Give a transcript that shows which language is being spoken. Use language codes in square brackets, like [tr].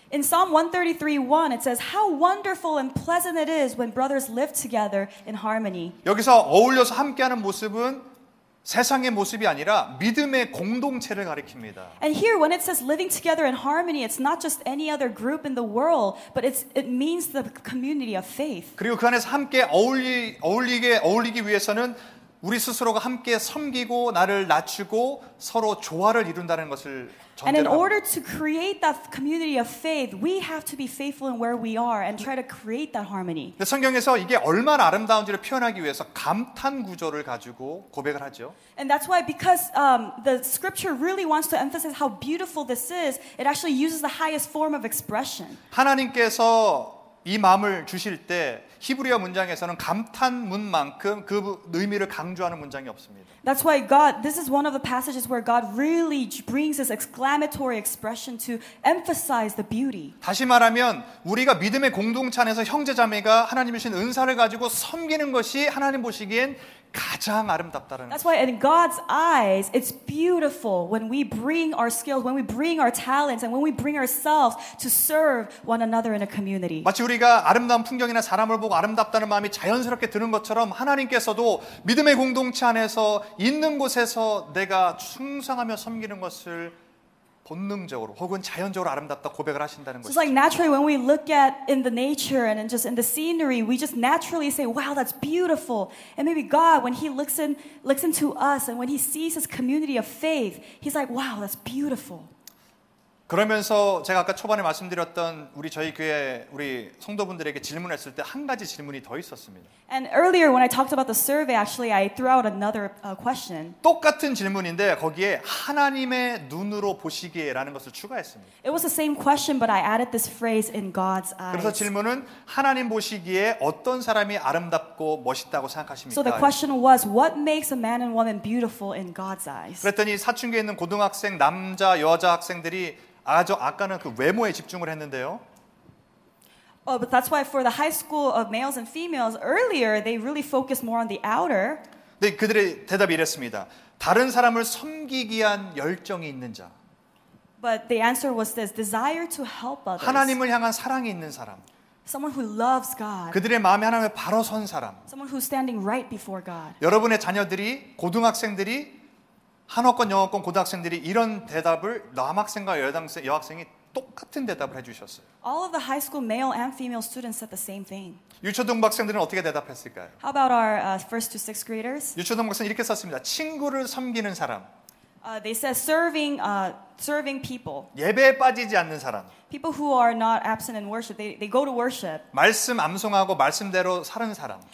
[en] In Psalm 133:1 it says how wonderful and pleasant it is when brothers live together in harmony. [ko] 여기서 어울려서 함께하는 모습은 세상의 모습이 아니라 믿음의 공동체를 가리킵니다. [en] And here when it says living together in harmony, it's not just any other group in the world, but it means the community of faith. [ko] 그리고 그 안에서 함께 어울리기 위해서는 우리 스스로가 함께 섬기고 나를 낮추고 서로 조화를 이룬다는 것을 전제로 [en] And in order to create that community of faith, we have to be faithful in where we are and try to create that harmony. [ko] 성경에서 이게 얼마나 아름다운지를 표현하기 위해서 감탄 구절을 가지고 고백을 하죠. [en] And that's why because the scripture really wants to emphasize how beautiful this is, it actually uses the highest form of expression. [ko] 하나님께서 이 마음을 주실 때 히브리어 문장에서는 감탄문만큼 그 의미를 강조하는 문장이 없습니다. [en] That's why God, this is one of the passages where God really brings this exclamatory expression to emphasize the beauty. [ko] 다시 말하면 우리가 믿음의 공동체 안에서 형제자매가 하나님 주신 은사를 가지고 섬기는 것이 하나님 보시기엔 가장 아름답다는 [en] That's why in God's eyes, it's beautiful when we bring our skills, when we bring our talents, and when we bring ourselves to serve one another in a community. [ko] 마치 우리가 아름다운 풍경이나 사람을 보고 아름답다는 마음이 자연스럽게 드는 것처럼 하나님께서도 믿음의 공동체 안에서 있는 곳에서 내가 충성하며 섬기는 것을 본능적으로 혹은 자연적으로 아름답다 고백을 하신다는 것이죠. [en] So it's like naturally when we look at in the nature and just in the scenery, we just naturally say, "Wow, that's beautiful." And maybe God, when He looks into us and when He sees His community of faith, He's like, "Wow, that's beautiful." [ko] 그러면서 제가 아까 초반에 말씀드렸던 우리 저희 교회 우리 성도분들에게 질문했을 때 한 가지 질문이 더 있었습니다. [en] And earlier when I talked about the survey, actually I threw out another question. [ko] 똑같은 질문인데 거기에 하나님의 눈으로 보시기에라는 것을 추가했습니다. [en] It was the same question, but I added this phrase in God's eyes. [ko] 그래서 질문은 하나님 보시기에 어떤 사람이 아름답고 멋있다고 생각하십니까? [en] So the question was, what makes a man and woman beautiful in God's eyes? [ko] 그랬더니 사춘기에 있는 고등학생 남자 여자 학생들이 아주 아까는 그 외모에 집중을 했는데요. [en] Oh, but that's why for the high school of males and females earlier, they really focused more on the outer. [ko] 근데 그들의 대답이 이랬습니다. 다른 사람을 섬기기 위한 열정이 있는 자. [en] But the answer was this: desire to help others. [ko] 하나님을 향한 사랑이 있는 사람. [en] Someone who loves God. [ko] 그들의 마음에 하나님을 바로 선 사람. [en] Someone who's standing right before God. [ko] 여러분의 자녀들이 고등학생들이 한어권 영어권 고등학생들이 이런 대답을 남학생과 여학생이 똑같은 대답을 해주셨어요. [en] All of the high school male and female students said the same thing. [ko] 유초등학생들은 어떻게 대답했을까요? [en] How about our first to sixth graders? [ko] 유초등학생 이렇게 썼습니다. 친구를 섬기는 사람. [en] They said serving people. [ko] 예배에 빠지지 않는 사람. [en] People who are not absent in worship. They go to worship. [ko] 말씀 암송하고 말씀대로 사는 사람.